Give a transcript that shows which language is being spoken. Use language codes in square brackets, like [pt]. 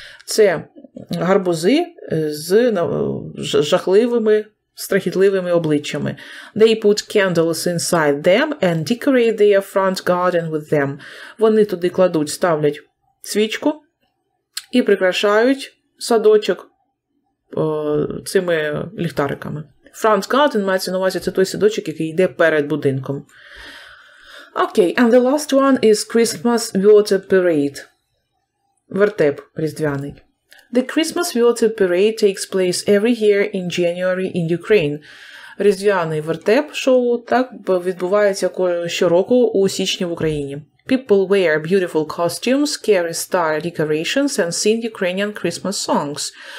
[uk] Це гарбузи з жахливими, страхітливими обличчями. [en] They put candles inside them and decorate their front garden with them. [uk] Вони туди кладуть, ставлять свічку і прикрашають садочок цими ліхтариками. Front garden мається на увазі, це той садочок, який йде перед будинком. [en] Okay, and the last one is Christmas water parade. [uk] Вертеп різдвяний. [en] The Christmas water parade takes place every year in January in Ukraine. [uk] Різдвяний вертеп шоу так відбувається щороку у січні в Україні. [en] People wear beautiful costumes, carry star decorations and sing Ukrainian Christmas songs.